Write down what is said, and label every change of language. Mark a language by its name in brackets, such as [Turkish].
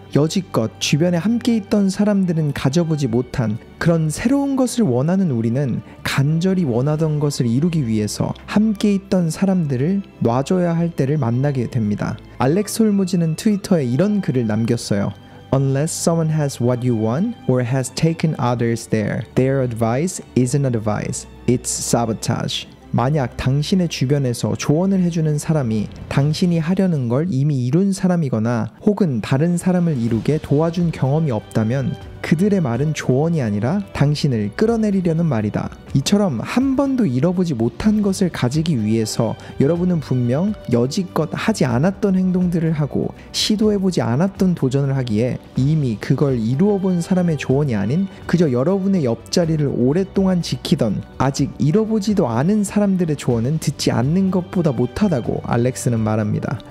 [Korean] 여지껏 주변에 함께 있던 사람들은 가져보지 못한 그런 새로운 것을 원하는 우리는 간절히 원하던 것을 이루기 위해서 함께 있던 사람들을 놔줘야 할 때를 만나게 됩니다. 알렉스 홀무지는 트위터에 이런 글을 남겼어요. [English] Unless someone has what you want or has taken others there, their advice isn't advice, it's sabotage. [Korean] 만약 당신의 주변에서 조언을 해주는 사람이 당신이 하려는 걸 이미 이룬 사람이거나 혹은 다른 사람을 이루게 도와준 경험이 없다면 그들의 말은 조언이 아니라 당신을 끌어내리려는 말이다. 이처럼 한 번도 잃어보지 못한 것을 가지기 위해서 여러분은 분명 여지껏 하지 않았던 행동들을 하고 시도해보지 않았던 도전을 하기에 이미 그걸 이루어본 사람의 조언이 아닌 그저 여러분의 옆자리를 오랫동안 지키던 아직 잃어보지도 않은 사람들의 조언은 듣지 않는 것보다 못하다고 알렉스는 말합니다.